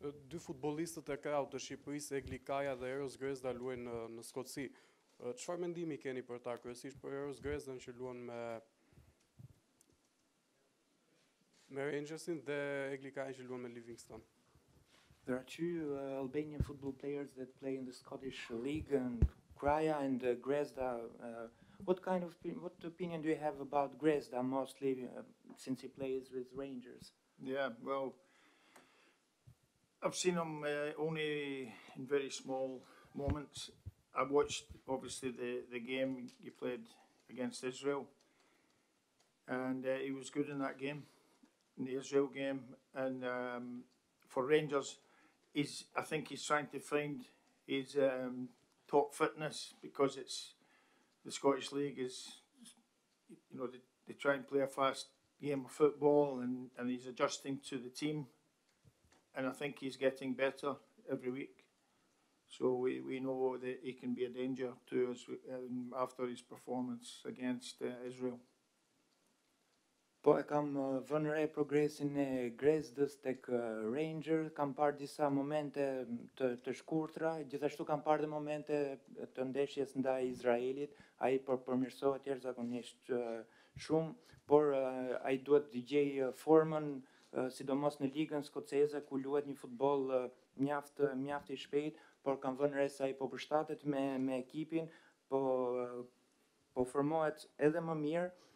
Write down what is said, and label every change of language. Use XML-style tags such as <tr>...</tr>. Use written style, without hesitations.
<sq>Dy futbolistët e kraut të Shqipërisë, Egli Kaja dhe Eros Grezda, luajnë në Skoci. Çfarë mendimi keni për ta, kryesisht për Eros Grezdën që luan me Rangersin dhe Egli Kaja që luan me Livingston?</sq> <en>There are two Albanian football players that play in the Scottish League, and Kaja and Grezda. What opinion do you have about Grezda, mostly since he plays with Rangers? Yeah, well, I've seen him only in very small moments. I watched, obviously, the game you played against Israel, and he was good in that game, in the Israel game. And for Rangers, I think he's trying to find his top fitness, because it's the Scottish League is, you know, they try and play a fast game of football, and he's adjusting to the team. And I think he's getting better every week. So we know that he can be a danger to us after his performance against Israel.</en> <sq>Po e kam vënë re progresin e Grezdës tek Rangers, kam parë disa momente të shkurtra, gjithashtu kam parë dhe momente të ndeshjes ndaj Izraelit, ai përmirësohet jashtëzakonisht shumë, por ai duhet të gjej formën, sidomos në ligën skoceze ku luhet një futboll mjaft i shpejt, por kam vënë re se ai po përshtatet me ekipin, po formohet edhe më mirë.</sq>